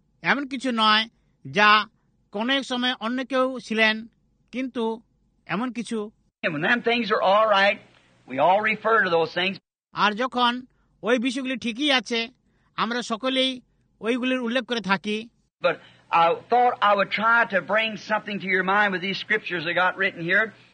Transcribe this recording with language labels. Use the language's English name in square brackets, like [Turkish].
[Bangla] এমন কিছু নয় যা কোন এক সময় অন্য কেউ ছিলেন, কিন্তু এমন কিছু. [English] When them things are all right, we all refer to those things. [Bangla] আর যখন ওই বিষয়গুলি ঠিকই আছে আমরা সকলেই ওইগুলির উল্লেখ করে থাকি. [English] But I thought I would try to bring something to your mind with these scriptures that got written here.